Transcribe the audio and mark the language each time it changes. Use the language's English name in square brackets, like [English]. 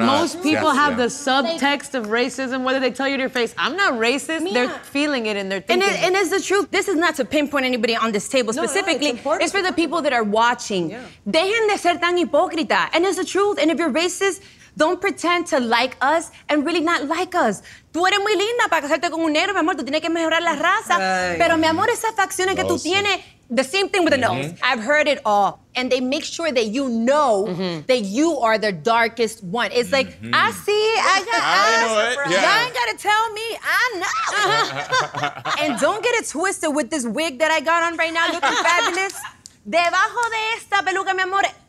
[English] Most people have the subtext of racism, whether they tell you to your face, I'm not racist. Mia. They're feeling it and they're thinking it. And it's the truth. This is not to pinpoint anybody on this table specifically. No, it's for the people that are watching. Yeah. [Spanish] Dejen de ser tan hipócrita. [English] And it's the truth. And if you're racist, don't pretend to like us and really not like us. [Spanish] Tú eres muy linda para casarte con un negro, mi amor. Tú tienes que mejorar la raza. Pero, mi amor, esas facciones que tú tienes, [English] the same thing with the nose. I've heard it all. And they make sure that you know that you are the darkest one. It's like, I see, I got eyes. Y'all ain't got to tell me. I know. And don't get it twisted with this wig that I got on right now looking fabulous. [Spanish] Debajo de esta peluca, mi amor,